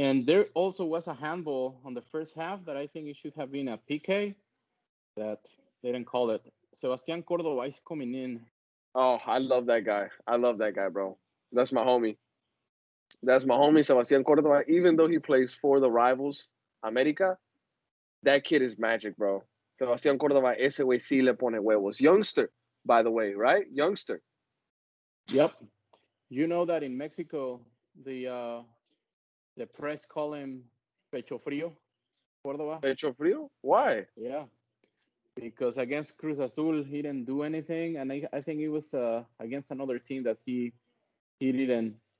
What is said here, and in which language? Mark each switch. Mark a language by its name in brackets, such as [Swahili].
[English] And there also was a handball on the first half that I think it should have been a PK that they didn't call it. Sebastian Cordova is coming in. Oh, I love that guy. I love that guy, bro. That's my homie. That's my homie, Sebastian Cordova. Even though he plays for the rivals, America, that kid is magic, bro. [Spanish] Sebastian Cordova, ese güey sí le pone huevos. [English] Youngster, by the way, right? Youngster. Yep. You know that in Mexico, the press call him Pecho Frio, Cordova. Pecho Frio? Why? Yeah, because against Cruz Azul, he didn't do anything. And I think it was against another team that he didn't.